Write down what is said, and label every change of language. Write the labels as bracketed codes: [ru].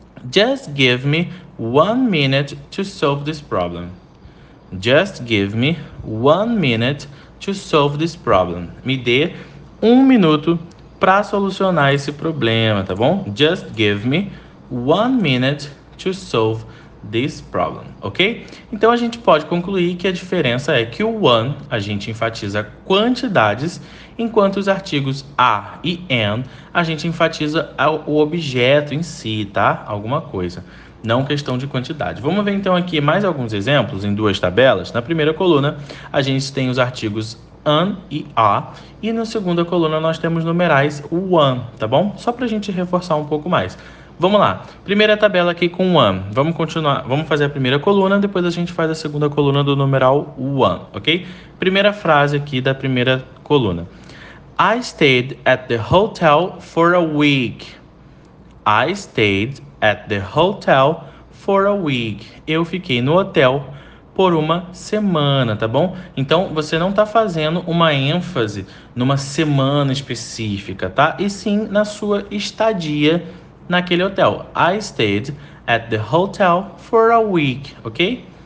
[en] Just give me 1 minute to solve this problem. Just give me 1 minute to solve this problem. [pt] Me dê 1 minuto para solucionar esse problema, tá bom? [en] Just give me 1 minute to solve this problem, ok? [pt] Então a gente pode concluir que a diferença é que o one a gente enfatiza quantidades, enquanto os artigos a e an a gente enfatiza o objeto em si, tá? Alguma coisa, não questão de quantidade. Vamos ver então aqui mais alguns exemplos em duas tabelas. Na primeira coluna a gente tem os artigos an e a, e na segunda coluna nós temos numerais one, tá bom? Só pra gente reforçar um pouco mais. Vamos lá, primeira tabela aqui com one. Vamos continuar, vamos fazer a primeira coluna, depois a gente faz a segunda coluna do numeral one, ok? Primeira frase aqui da primeira coluna. [en] I stayed at the hotel for a week. I stayed at the hotel for a week. [pt] Eu fiquei no hotel por uma semana, tá bom? Então, você não tá fazendo uma ênfase numa semana específica, tá? E sim na sua estadia naquele hotel. [en] I stayed at the hotel for a week, ok?